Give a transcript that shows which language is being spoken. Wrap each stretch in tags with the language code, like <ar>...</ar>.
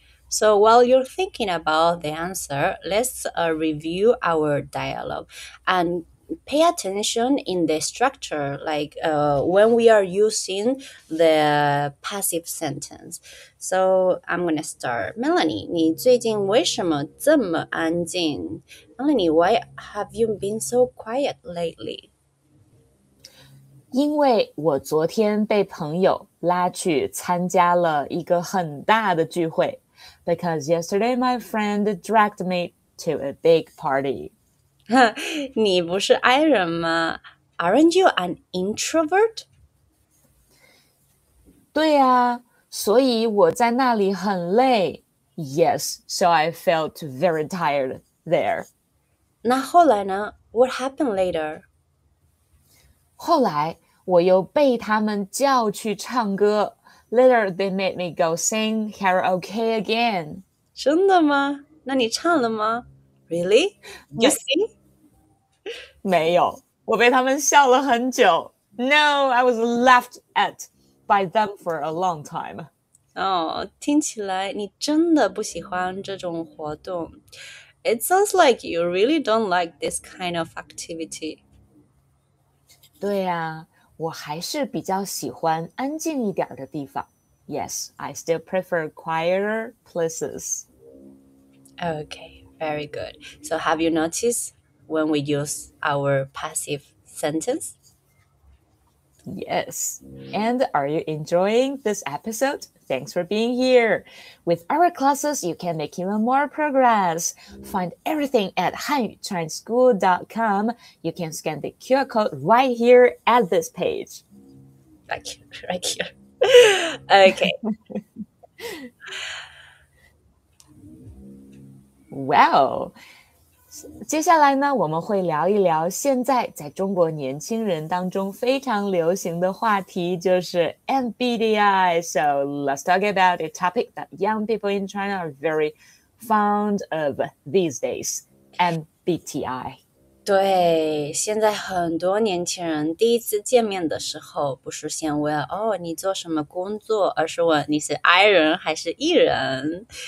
<en>So while you're thinking about the answer, let's review our dialogue and pay attention in the structure, like when we are using the passive sentence. So I'm going to start. Melanie,</en> <zh>你最近为什么这么安静?</zh> <en>Melanie, why have you been so quiet lately?</en> <zh>因为我昨天被朋友拉去参加了一个很大的聚会。</zh> <en>Because yesterday my friend dragged me to a big party.</en> <zh>你不是 I 人吗?</zh> <en>Aren't you an introvert?</en> <zh>对啊,所以我在那里很累。</zh> <en>Yes, so I felt very tired there.</en> <zh>那后来呢?</zh> <en>What happened later?</en> <zh>后来我又被他们叫去唱歌。</zh> <en>Later, they made me go sing karaoke again.</en> <zh>真的吗?那你唱了吗?</zh> <en>Really? You sing?</en> <zh>没有，我被他们笑了很久。</zh> <en>No, I was laughed at by them for a long time.</en> <zh>哦，听起来你真的不喜欢这种活动。</zh> <en>It sounds like you really don't like this kind of activity.</en> <zh>对啊，我还是比较喜欢安静一点的地方。</zh> <en>Yes, I still prefer quieter places. Okay, very good. So have you noticed... when we use our passive sentence? Yes. And are you enjoying this episode? Thanks for being here. With our classes, you can make even more progress. Find everything at 汉语传school.com. You can scan the QR code right here at this page. Right here. Okay.</en> <zh>Well, 接下来呢，我们会聊一聊现在在中国年轻人当中非常流行的话题，就是 MBTI.</zh> <en>So let's talk about a topic that young people in China are very fond of these days, MBTI.</en> <zh>对，现在很多年轻人第一次见面的时候，不是先问哦你做什么工作，而是问你是 I 人还是 E 人。</zh>